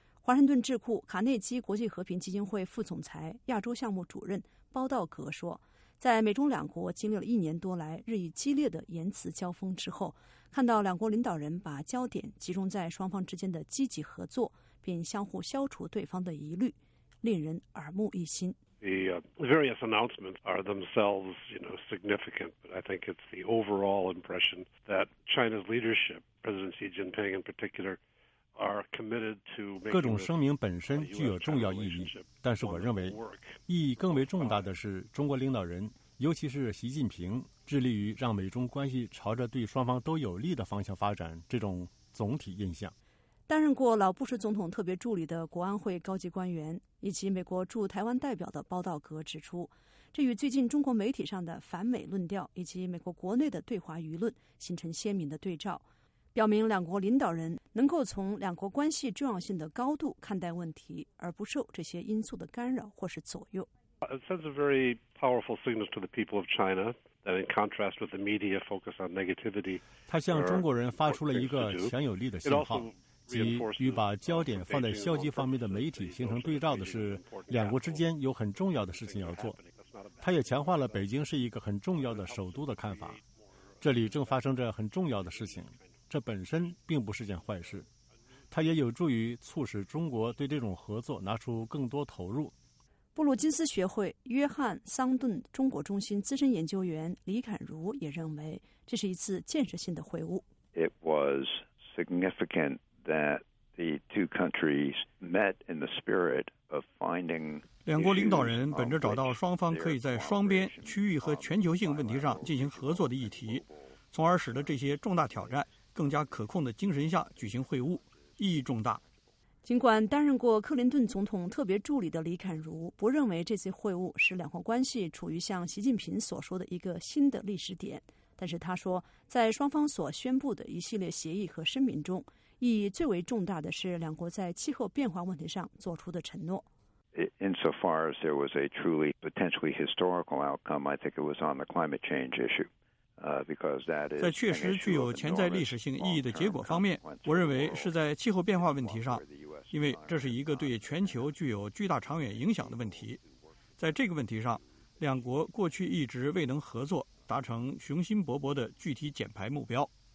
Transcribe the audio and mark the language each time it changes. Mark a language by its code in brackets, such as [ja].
[zh] 华盛顿智库卡内基国际和平基金会副总裁、亚洲项目主任包道格说，在美中两国经历了一年多来日益激烈的言辞交锋之后，看到两国领导人把焦点集中在双方之间的积极合作，并相互消除对方的疑虑，令人耳目一新。 [en] The various announcements are themselves, you know, significant, but I think it's the overall impression that China's leadership, President Xi Jinping in particular, are committed to making. [zh] 各种声明本身具有重要意义，但是我认为意义更为重大的是中国领导人，尤其是习近平，致力于让美中关系朝着对双方都有利的方向发展这种总体印象。担任过老布什总统特别助理的国安会高级官员以及美国驻台湾代表的包道格指出，这与最近中国媒体上的反美论调以及美国国内的对华舆论形成鲜明的对照，表明两国领导人能够从两国关系重要性的高度看待问题，而不受这些因素的干扰或是左右。 [en] It sends a very powerful signal to the people of China. That in contrast with the media focus on negativity, [zh] 它向中国人发出了一个强有力的信号，即与把焦点放在消极方面的媒体形成对照的是，两国之间有很重要的事情要做。它也强化了北京是一个很重要的首都的看法。这里正发生着很重要的事情，这本身并不是件坏事。它也有助于促使中国对这种合作拿出更多投入。布鲁金斯学会约翰·桑顿中国中心资深研究员李侃如也认为，这是一次建设性的会晤。 [en] It was significant that the two countries met in the spirit of finding. [zh] 两国领导人本着找到双方可以在双边、区域和全球性问题上进行合作的议题，从而使得这些重大挑战更加可控的精神下举行会晤，意义重大。尽管担任过克林顿总统特别助理的李侃如不认为这次会晤使两国关系处于像习近平所说的一个新的历史点，但是他说，在双方所宣布的一系列协议和声明中，意义最为重大的是两国在气候变化问题上做出的承诺。 [en] Insofar as there was a truly potentially historical outcome, I think it was on the climate change issue. [zh] 在确实具有潜在历史性意义的结果方面，我认为是在气候变化问题上，因为这是一个对全球具有巨大长远影响的问题。在这个问题上，两国过去一直未能合作，达成雄心勃勃的具体减排目标。